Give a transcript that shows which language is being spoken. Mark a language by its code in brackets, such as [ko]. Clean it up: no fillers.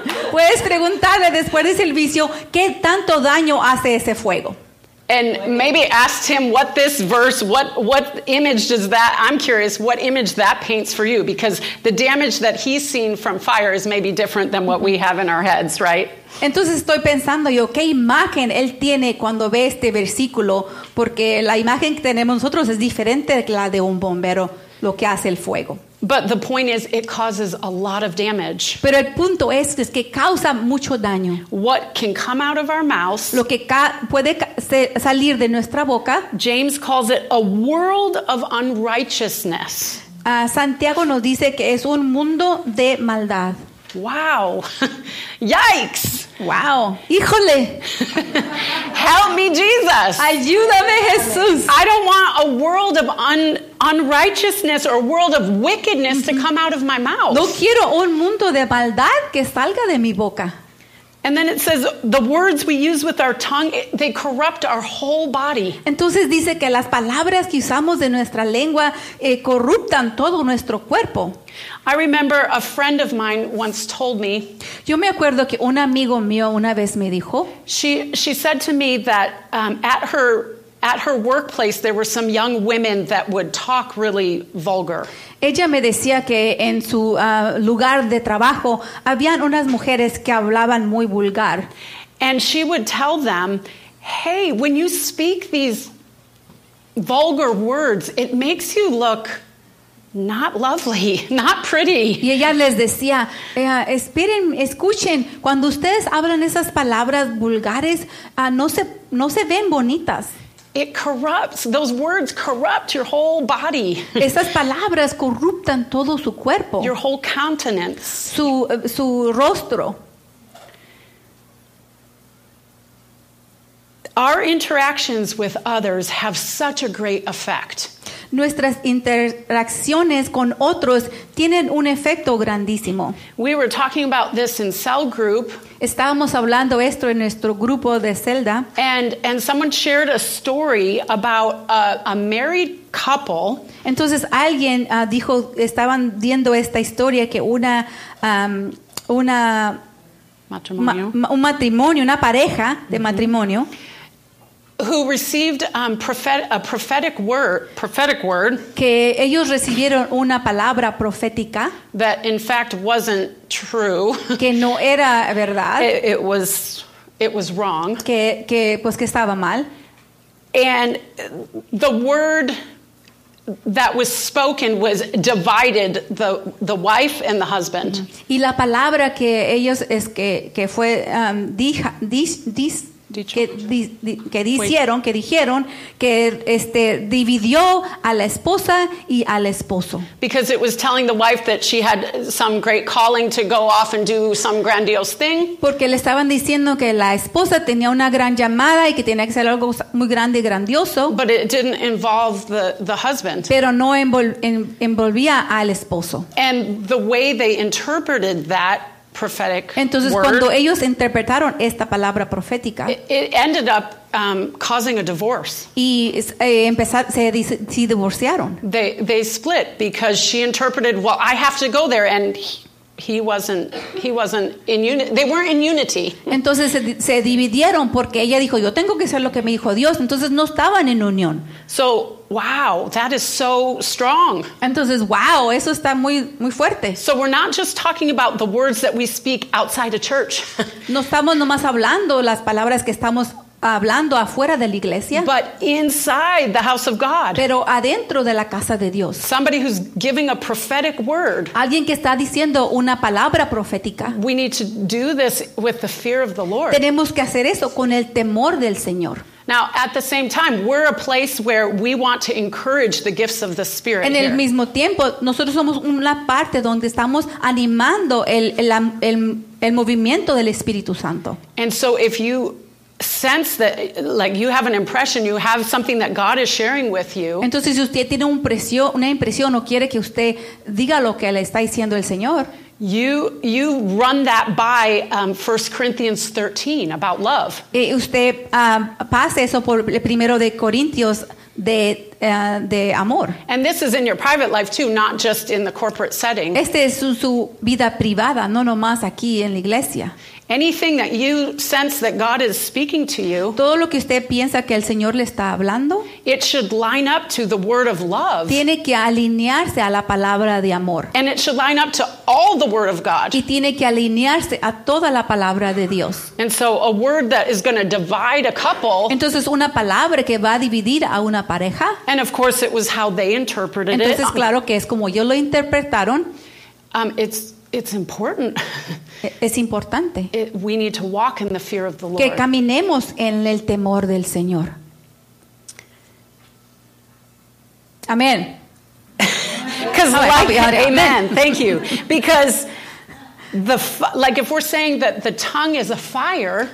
[es] Puedes preguntarle después del servicio qué tanto daño hace ese fuego. [en] And maybe ask him what this verse, what image does that, I'm curious, what image that paints for you, because the damage that he's seen from fire is maybe different than what we have in our heads, right? [es] Entonces estoy pensando yo, ¿qué imagen él tiene cuando ve este versículo? Porque la imagen que tenemos nosotros es diferente de la de un bombero. lo que hace el fuego. [en] But the point is, it causes a lot of damage. [es] Pero el punto es que causa mucho daño. [en] What can come out of our mouths? [es] Lo que puede salir de nuestra boca. [en] James calls it a world of unrighteousness. [es] Santiago nos dice que es un mundo de maldad. [en] Wow. Yikes. [es] Wow. Híjole. [en] Help me, Jesus. [es] Ayúdame, Jesús. [en] I don't want a world of unrighteousness or a world of wickedness mm-hmm. to come out of my mouth. [es] No quiero un mundo de maldad que salga de mi boca. [en] And then it says the words we use with our tongue, they corrupt our whole body. [es] Entonces dice que las palabras que usamos de nuestra lengua corruptan todo nuestro cuerpo. [en] I remember a friend of mine once told me. [es] Yo me acuerdo que un amigo mío una vez me dijo. [en] She said to me that at her workplace there were some young women that would talk really vulgar. [es] Ella me decía que en su lugar de trabajo habían unas mujeres que hablaban muy vulgar. [en] And she would tell them, "Hey, when you speak these vulgar words, it makes you look not lovely, not pretty." [es] Y ella les decía, esperen, escuchen, cuando ustedes hablan esas palabras vulgares, no se ven bonitas. [en] It corrupts. Those words corrupt your whole body. [es] Esas palabras corruptan todo su cuerpo. [en] Your whole countenance. [es] Su rostro. [en] Our interactions with others have such a great effect. [es] Nuestras interacciones con otros tienen un efecto grandísimo. [en] We were talking about this in cell group. [es] Estábamos hablando esto en nuestro grupo de celda. [en] And someone shared a story about a married couple. [es] Entonces alguien dijo, estaban viendo esta historia que una pareja de mm-hmm. matrimonio. [en] Who received a prophetic word [es] que ellos recibieron una palabra profética [en] that in fact wasn't true, [es] que no era verdad, [en] it was wrong, [es] que estaba mal, [en] and the word that was spoken was divided the wife and the husband. [es] Y la palabra que ellos dijeron que dividió a la esposa y al esposo. [en] Because it was telling the wife that she had some great calling to go off and do some grandiose thing. [es] Porque le estaban diciendo que la esposa tenía una gran llamada y que tenía que hacer algo muy grande y grandioso. [en] But it didn't involve the husband. [es] Pero no envolvía al esposo. [en] And the way they interpreted that prophetic word. [es] Entonces, cuando ellos interpretaron esta palabra profética, [en] it ended up causing a divorce. [es] Y se divorciaron. [en] They split because she interpreted, "Well, I have to go there," and he wasn't in unity. They weren't in unity. [es] Entonces se dividieron porque ella dijo, "Yo tengo que hacer lo que me dijo Dios." Entonces no estaban en unión. [en] So, wow, that is so strong. [es] Entonces, wow, eso está muy muy fuerte. [en] So we're not just talking about the words that we speak outside a church. [es] No estamos nomás hablando las palabras que estamos hablando afuera de la iglesia. [en] But inside the house of God. [es] Pero adentro de la casa de Dios. [en] Somebody who's giving a prophetic word. [es] Alguien que está diciendo una palabra profética. [en] We need to do this with the fear of the Lord. [es] Tenemos que hacer eso con el temor del Señor. [en] Now, at the same time, we're a place where we want to encourage the gifts of the Spirit. [es] En el mismo tiempo, nosotros somos una parte donde estamos animando el movimiento del Espíritu Santo. [en] And so if you sense that, like, you have an impression, you have something that God is sharing with you. [es] Entonces, si usted tiene una impresión o quiere que usted diga lo que le está diciendo el Señor, [en] You run that by 1 Corinthians 13 about love. [es] Y usted pasa eso por el primero de Corintios de amor. [en] And this is in your private life too, not just in the corporate setting. [es] Este es su vida privada, no nomás aquí en la iglesia. [en] Anything that you sense that God is speaking to you, [es] todo lo que usted piensa que el Señor le está hablando, [en] it should line up to the word of love. [es] Tiene que alinearse a la palabra de amor. [en] And it should line up to all the word of God. [es] Y tiene que alinearse a toda la palabra de Dios. [en] And so a word that is going to divide a couple. [es] Entonces una palabra que va a dividir a una pareja. [en] And of course it was how they interpreted [es] entonces, [en] it. [es] Entonces claro que es como ellos lo interpretaron. [en] It's important. [es] Es importante. [en] We need to walk in the fear of the Lord. [es] Que caminemos en el temor del Señor. Amén. [en] Because like, amen. Thank you. Because like if we're saying that the tongue is a fire.